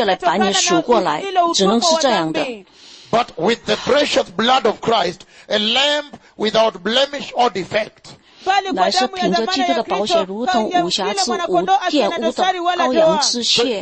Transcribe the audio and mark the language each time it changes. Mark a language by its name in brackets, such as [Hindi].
[Chinese] 你的灵魂等同的价值只有耶稣的宝血、基督的宝血。你的灵魂呢，只能通过基督的宝血来赎买过来的。只有从这即将来的神的审判当中，只有基督的宝血来把你赎过来，只能是这样的。 [English] But with the precious blood of Christ, a lamb without blemish or defect. [Chinese] 乃是凭着基督的宝血，如同无瑕疵、无玷污的羔羊之血。